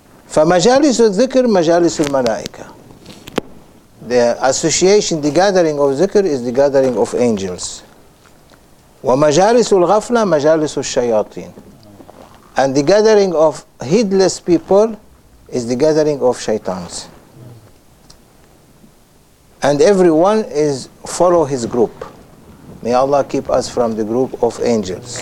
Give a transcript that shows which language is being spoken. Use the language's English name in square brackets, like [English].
[Arabic] فمجالس الذكر مجالس الملائكة. [English] The association, the gathering of ذكر is the gathering of angels. [Arabic] ومجالس الغفلة مجالس الشياطين. [English] And the gathering of heedless people is the gathering of shaitans. And everyone is follow his group. May Allah keep us from the group of angels.